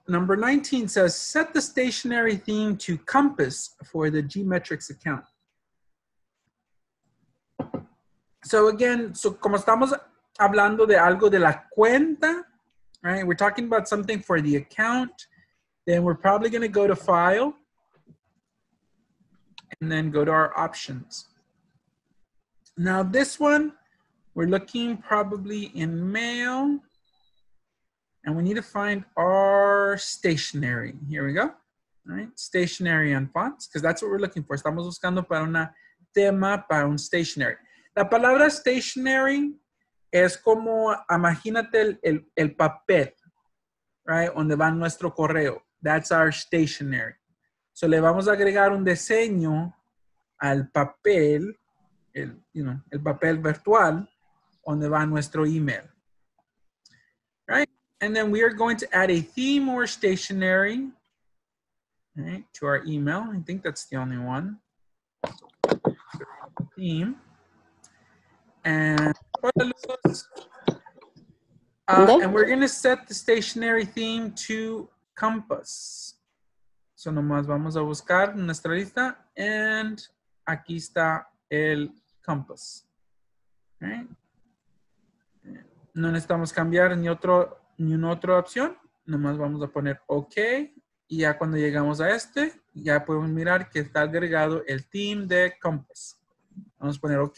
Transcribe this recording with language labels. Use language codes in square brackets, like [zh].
[en] Number 19 says, set the stationary theme to compass for the G-Metrics account. [es] So again, so como estamos hablando de algo de la cuenta, right? [en] We're talking about something for the account. Then we're probably going to go to file. And then go to our options. Now this one, we're looking probably in mail. And we need to find our stationery. Here we go. All right, stationery and fonts, because that's what we're looking for. [es] Estamos buscando para una tema, para un stationery. La palabra stationery es como, imagínate el papel, right, donde va nuestro correo. [en] That's our stationery. [es] So le vamos a agregar un diseño al papel, el, you know, el papel virtual, donde va nuestro email. [en] Right? And then we are going to add a theme or stationery, right, to our email. I think that's the only one. Theme. And, and we're going to set the stationery theme to compass. [es] So nomás vamos a buscar nuestra lista. And aquí está el compass. Right? No necesitamos cambiar ni otro, ni una otra opción. Nomás vamos a poner OK. Y ya cuando llegamos a este, ya podemos mirar que está agregado el theme de compass. Vamos a poner OK.